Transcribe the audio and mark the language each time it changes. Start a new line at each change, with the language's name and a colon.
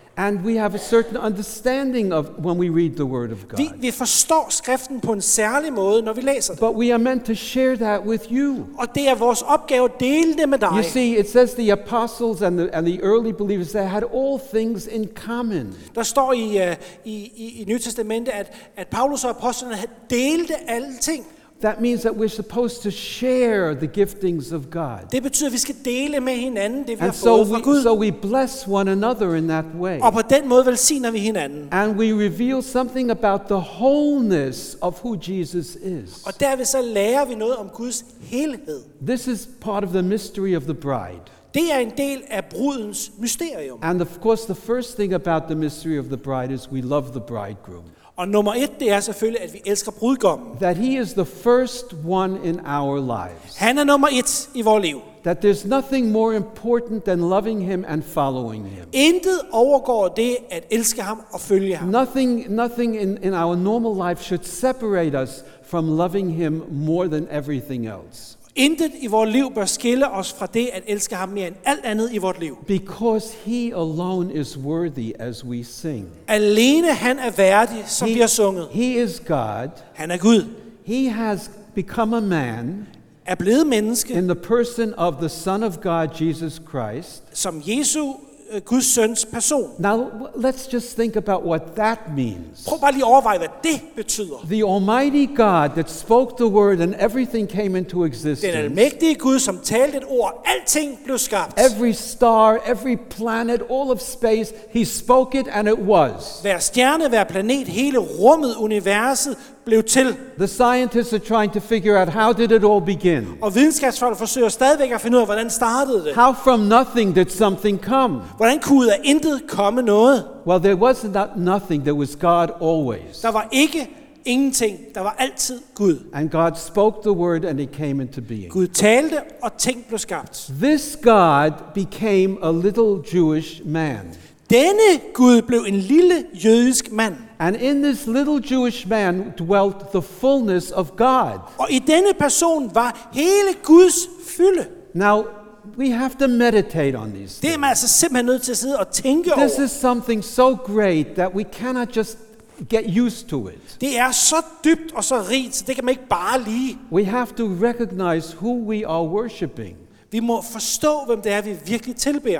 English: And we have a certain understanding of when we read the word of God.
Danish: Vi forstår skriften på en særlig måde, når vi læser det.
English: But we are meant to share that with you.
Danish: Og det er vores opgave at dele det med dig.
English: You see, it says the apostles and the early believers, they had all things in common.
Danish: Der står i Nye Testamente, at Paulus og apostlene havde delte alting.
English: That means that we're supposed to share the giftings of God.
Danish: Det betyder, at vi skal dele med hinanden det, vi
English: and
Danish: har so fået
English: we,
Danish: fra Gud.
English: So we bless one another in that way.
Danish: Og på den måde velsigner vi hinanden.
English: And we reveal something about the wholeness of who Jesus is.
Danish: Og derved så lærer vi noget om Guds helhed.
English: This is part of the mystery of the bride.
Danish: Det er en del af brudens mysterium.
English: And of course, the first thing about the mystery of the bride is we love the bridegroom.
Danish: Og nummer et, det er selvfølgelig, at vi elsker brudgommen.
English: That he is the first one in our lives.
Danish: Han er nummer et i vores liv.
English: That there's nothing more important than loving him and following him.
Danish: Intet overgår det at elske ham og følge ham.
English: Nothing in our normal life should separate us from loving him more than everything else.
Danish: Intet i vores liv bør skille os fra det at elske ham mere end alt andet i vores liv.
English: Because he alone is worthy as we sing.
Danish: Alene han er værdig, som vi har sunget.
English: He is God.
Danish: Han er Gud.
English: He has become a man.
Danish: Er blevet menneske.
English: In the person of the Son of God, Jesus Christ.
Danish: Som Jesu, Guds søns person.
English: Now let's just think about what that means.
Danish: Prøv bare lige at overveje, hvad det betyder.
English: The Almighty God that spoke the word and everything came into existence.
Danish: Den almægtige Gud, som talte et ord, alting blev skabt.
English: Every star, every planet, all of space, he spoke it and it was.
Danish: Hver stjerne, hver planet, hele rummet, universet blev til.
English: The scientists are trying to figure out how did it all begin.
Danish: Og videnskabsfolk forsøger stadigvæk at finde ud af, hvordan startede det.
English: How from nothing did something come?
Danish: Hvordan kunne der intet komme noget?
English: Well, there was not nothing. There was God always.
Danish: Der var ikke ingenting. Der var altid Gud.
English: And God spoke the word and it came into being.
Danish: Gud talte og ting blev skabt.
English: This God became a little Jewish man.
Danish: Denne Gud blev en lille jødisk mand.
English: And in this little Jewish man dwelt the fullness of God.
Danish: Og i denne person var hele Guds fylde.
English: Now, we have to meditate on these things.
Danish: Det er altså simpelthen nødt til at sidde og tænke
English: this
Danish: over.
English: This is something so great that we cannot just get used to it.
Danish: Det er så dybt og så rigt, så det kan man ikke bare lide.
English: We have to recognize who we are worshiping.
Danish: Vi må forstå, hvem det er, vi virkelig tilbeder.